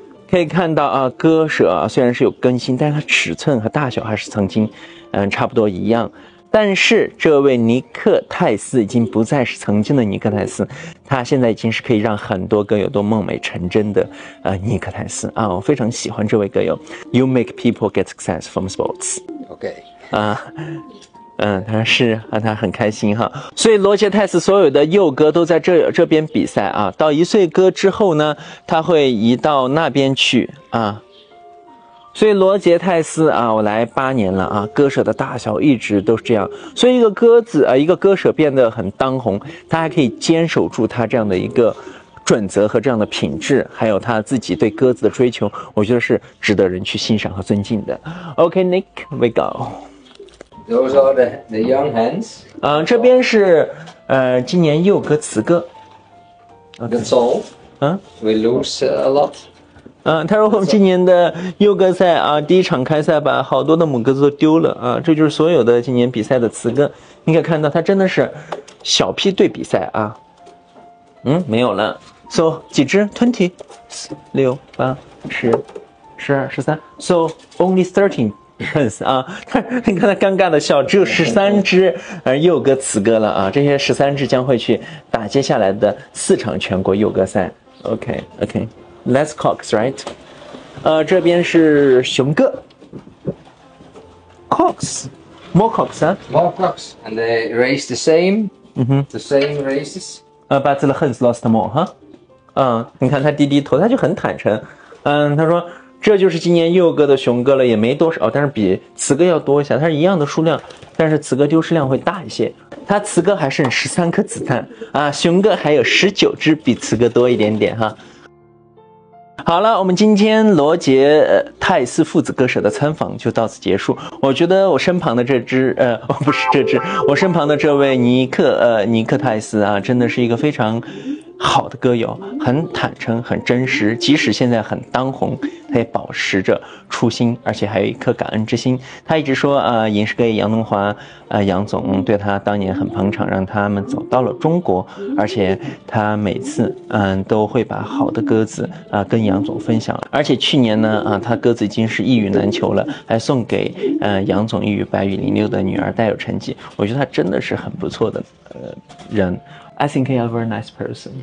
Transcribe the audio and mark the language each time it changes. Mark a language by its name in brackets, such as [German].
[Chinese] 可以看到啊，鸽舍啊虽然是有更新，但是它尺寸和大小还是曾经差不多一样。但是这位尼克泰斯已经不再是曾经的尼克泰斯，他现在已经是可以让很多歌友都梦寐成真的尼克泰斯啊。我非常喜欢这位歌友。 [English] You make people get success from sports. OK. [Chinese] 他是让他很开心哈。所以罗杰泰斯所有的幼鸽都在这边比赛啊，到一岁鸽之后呢，他会移到那边去啊。所以罗杰泰斯啊，我来八年了啊，鸽舍的大小一直都是这样。所以一个鸽子啊，一个鸽舍变得很当红，他还可以坚守住他这样的一个准则和这样的品质，还有他自己对鸽子的追求，我觉得是值得人去欣赏和尊敬的。 [English] OK, Nick, we go. Those are the young hens. [Chinese] 这边是今年幼鸽雌鸽。 [English] That's all. We lose a lot. [Chinese] 他说我们今年的幼鸽赛啊，第一场开赛吧，好多的母鸽子都丢了啊。这就是所有的今年比赛的雌鸽。你可以看到它真的是小批对比赛啊。没有了。So, 几只 ?20, 6, 8, 10, 12, 13. [English] So, only 13. [Chinese] 啊，你看他尴尬的笑，只有13只幼鸽雌鸽了啊，这些13只将会去打接下来的四场全国幼鸽赛。 [English] OK, Let's cocks, right? [Chinese] 这边是雄鸽。 [English] Cocks, more cocks, huh? More cocks, and they race the same,、the same races. But the hens lost more, huh? [Chinese] 你看他低低头，他就很坦诚，他说这就是今年幼鸽的雄鸽了，也没多少，但是比雌鸽要多一下，它是一样的数量，但是雌鸽丢失量会大一些。它雌鸽还剩13颗子弹啊，雄鸽还有19只，比雌鸽多一点点哈。好了，我们今天罗杰泰斯父子歌舍的参访就到此结束。我觉得我身旁的这只不是这只，我身旁的这位尼克泰斯啊，真的是一个非常好的歌友，很坦诚，很真实，即使现在很当红，他也保持着初心，而且还有一颗感恩之心。他一直说饮食歌友杨东华杨总对他当年很捧场，让他们走到了中国，而且他每次都会把好的鸽子跟杨总分享。而且去年呢他鸽子已经是一羽难求了，还送给杨总一羽白羽零六的女儿戴有成绩。我觉得他真的是很不错的人。 [English] I think you're a very nice person.